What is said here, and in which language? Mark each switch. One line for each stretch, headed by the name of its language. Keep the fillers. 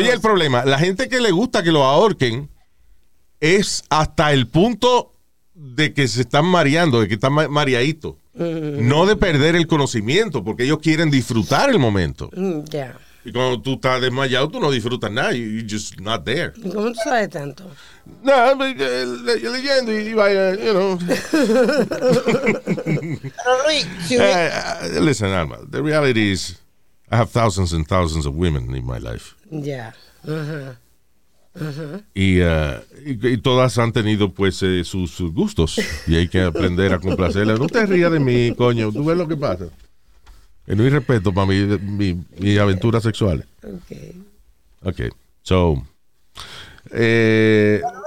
Spanish: oye el problema, la gente que le gusta que lo ahorquen es hasta el punto de que se están mareando, de que están ma- mareaditos. No de perder el conocimiento, porque ellos quieren disfrutar el momento. Mm, Ya. Y cuando tú estás desmayado, tú no disfrutas nada.
English: You, you're just not there.
Spanish: ¿Y cómo tú sabes tanto? No, me- eh, le- yo leyendo y, y vaya,
English: you know.
Spanish: Pero Luis, si hubiera-
English: Eh, eh, listen, Alma, the reality is I have thousands and thousands of women in my life.
Spanish: Ya. Ajá. y, ah, y- y todas han tenido pues eh, sus, sus gustos y hay que aprender a complacerlas. No te rías de mí, coño, tú ves lo que pasa. Eh, No hay respeto para mi, mi- mis aventuras sexuales. Ok.
English: Ok, so, eh,